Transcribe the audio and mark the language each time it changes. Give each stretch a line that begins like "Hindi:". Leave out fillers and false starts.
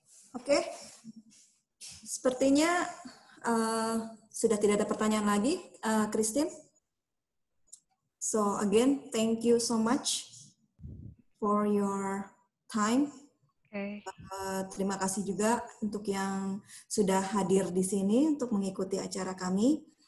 Indonesian: Oke, sepertinya sudah tidak ada pertanyaan lagi, Christine.
English: So again, thank you so much for your time. Okay.
Indonesian: Terima kasih juga untuk yang sudah hadir di sini untuk mengikuti acara kami.